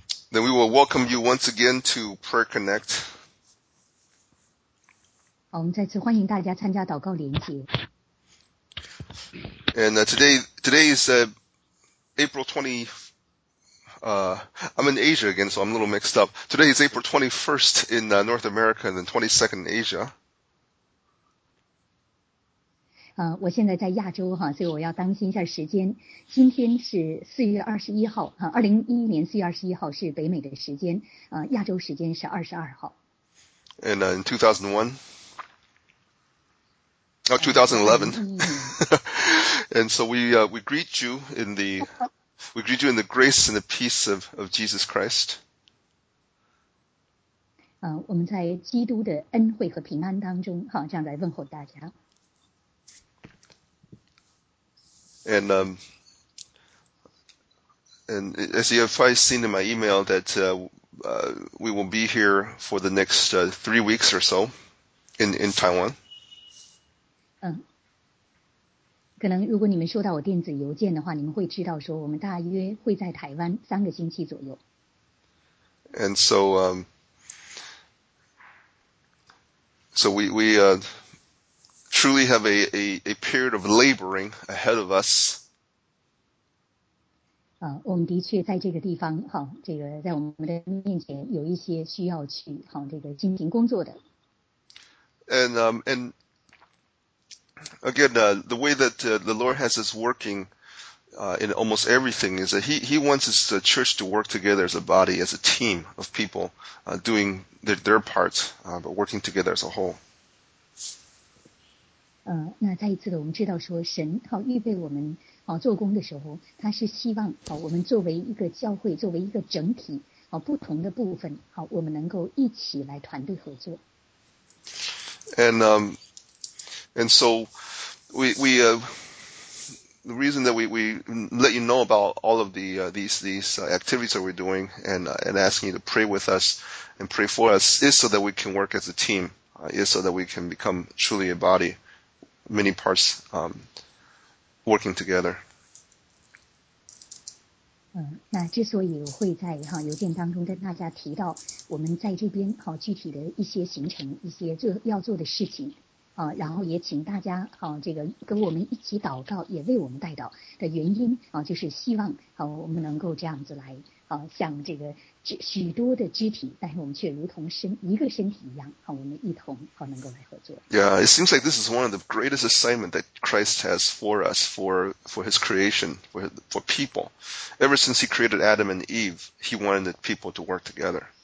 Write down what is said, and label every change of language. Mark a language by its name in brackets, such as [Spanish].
[English] Then we will welcome you once again to Prayer Connect. [Chinese] 好，我们再次欢迎大家参加祷告连结。 [English] And today is April 20. I'm in Asia again, so I'm a little mixed up. Today is April 21st in North America and then 22nd in Asia. [Chinese] 我现在在亚洲哈，所以我要当心一下时间。今天是4月21号，哈，2011年4月21号是北美的时间，亚洲时间是22号。 [English] And in 2011. And so we greet you in the grace and the peace of Jesus Christ. [Chinese] 我们在基督的恩惠和平安当中，哈，这样来问候大家。 [English] And and as you have probably seen in my email that we will be here for the next 3 weeks or so in Taiwan. [Chinese] 可能如果你们收到我电子邮件的话，你们会知道说我们大约会在台湾三个星期左右。 [English] And so truly have a period of laboring ahead of us. [Chinese] 我们的确在这个地方，这个在我们的面前有一些需要去这个进行工作的。 [English] And again, the way that the Lord has us working in almost everything is that He wants His church to work together as a body, as a team of people doing their part, but working together as a whole. [Chinese] 那再一次的，我们知道说神预备我们做工的时候，他是希望我们作为一个教会，作为一个整体不同的部分我们能够一起来团队合作。 [English] And so we the reason that we let you know about all of these activities that we're doing and asking you to pray with us and pray for us is so that we can work as a team, is so that we can become truly a body. Many parts working together. [Chinese] 那之所以我会在邮件当中跟大家提到我们在这边具体的一些行程，一些要做的事情，然后也请大家这个跟我们一起祷告，也为我们代祷的原因就是希望我们能够这样子来像这个许多的肢体，但是我们却如同一个身体一样我们一同能够来合作。 [English] Yeah, it seems like this is one of the greatest assignment that Christ has for us, for his creation, for people. Ever since he created Adam and Eve, he wanted the people to work together.